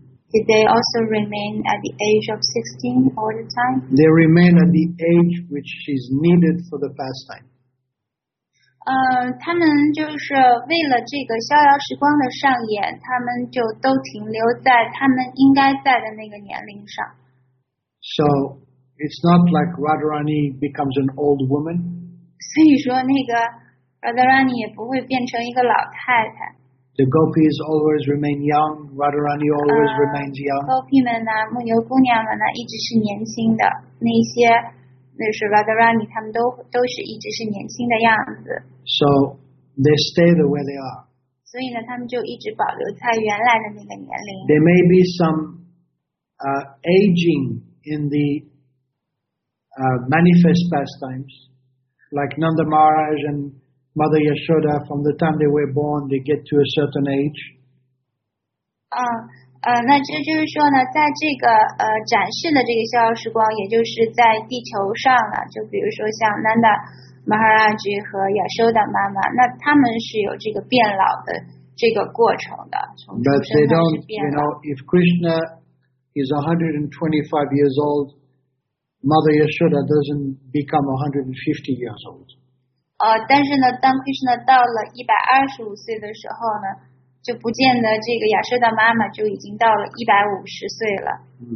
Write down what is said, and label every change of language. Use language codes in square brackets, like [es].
[en] Did they also remain at the age of 16 all the time? They remain at the age which is needed for the pastime. [zh] 他们就是为了这个逍遥时光的上演，他们就都停留在他们应该在的那个年龄上。 [en] So it's not like Radharani becomes an old woman. [zh] 所以说那个 Radharani 也不会变成一个老太太。 [en] The gopis always remain young. Radharani always remains young. [zh] Gopi 们呢，牧牛姑娘们呢，一直是年轻的。那些，那是 Radharani， 他们都是一直是年轻的样子。 [en] So they stay the way they are. [zh] 所以呢，他们就一直保留在原来的那个年龄。 [en] There may be some aging in the manifest pastimes, like Nanda Maharaj and. Mother Yashoda, from the time they were born, they get to a certain age. [zh] 那这就是说呢，在这个展示的这个逍遥时光，也就是在地球上了。就比如说像 Nanda Maharaj 和 Yashoda 妈妈，那他们是有这个变老的这个过程的，从出生开始变老。 [en] But they don't, you know, if Krishna is 125 years old, Mother Yashoda doesn't become 150 years old. [zh] 但是呢，当 Krishna 到了125岁的时候呢，就不见得这个亚瑟的妈妈就已经到了150岁了。